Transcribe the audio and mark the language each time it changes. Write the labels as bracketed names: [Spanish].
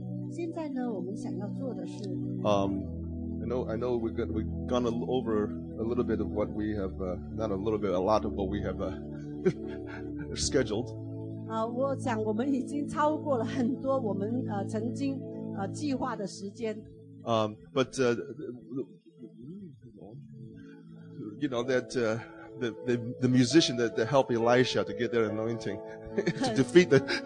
[Chinese] 现在呢, 我们想要做的是, [English] I know we've gone over a little bit of what we have, not a little bit, a lot of what we have scheduled. [Chinese] 我想我们已经超过了很多我们, 曾经, 计划的时间。 [English] You know that the musician that helped Elisha to get their anointing to defeat the